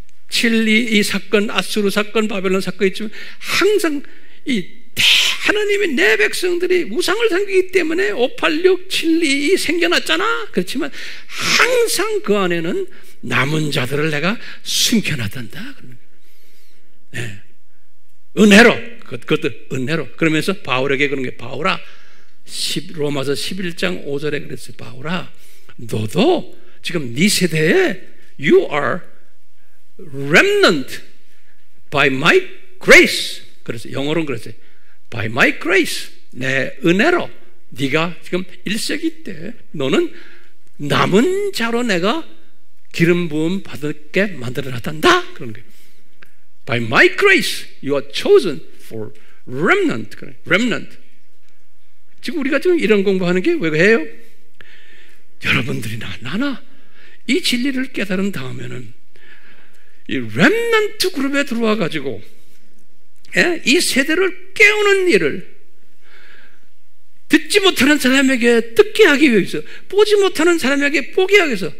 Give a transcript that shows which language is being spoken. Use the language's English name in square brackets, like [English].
[Korean] 진리 이 사건, 아수르 사건, 바벨론 사건 있지만 항상 이 하나님이 내 백성들이 우상을 섬기기 때문에 586 진리 생겨났잖아. 그렇지만 항상 그 안에는 남은 자들을 내가 숨겨놨단다. 네. 은혜로, 그것도 은혜로. 그러면서 바울에게 그런 게, 바울아, 로마서 11장 5절에 그랬어요. 바울아, 너도 지금 네 세대에 [English] You are remnant by my grace. [Korean] 그랬어요. 영어로는 그랬어요. [English] By my grace, [Korean] 내 은혜로 네가 지금 1세기 때 너는 남은 자로 내가 기름 부음 받게 만들어놨단다. 그런 게. [English] By my grace, you are chosen for remnant. Remnant. [Korean] 지금 우리가 지금 이런 공부하는 게 왜 해요? 여러분들이나 나나 이 진리를 깨달은 다음에는 이 remnant 그룹에 들어와 가지고. 예? 이 세대를 깨우는 일을 듣지 못하는 사람에게 듣게 하기 위해서, 보지 못하는 사람에게 보게 하기 위해서.